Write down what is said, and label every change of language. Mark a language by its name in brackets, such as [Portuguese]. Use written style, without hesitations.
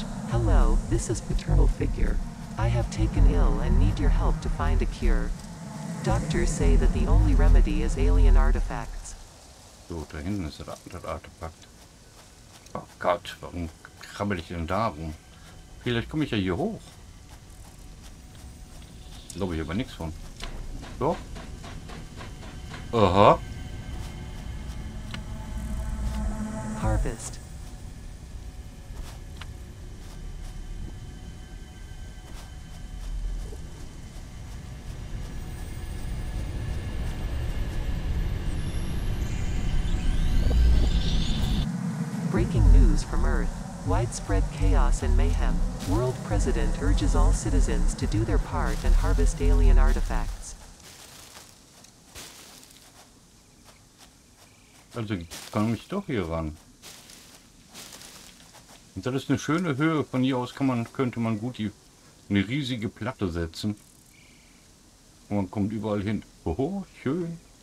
[English] Hello, this is Paternal Figure. I have taken ill and need your help to find a cure. Doctors say that the only remedy is alien artifacts. [German] So, da hinten ist das Artefakt. Oh Gott, warum krabbel ich denn da rum? Vielleicht komme ich ja hier hoch. Glaube ich aber nichts von. So. Aha. [English] Harvest. From Earth, widespread chaos and mayhem. World President urges all citizens to do their part and harvest alien artifacts. [German] Also kann ich doch hier ran. Und das ist eine schöne Höhe. Von hier aus könnte man gut die eine riesige Platte setzen. Und man kommt überall hin. Oh, schön.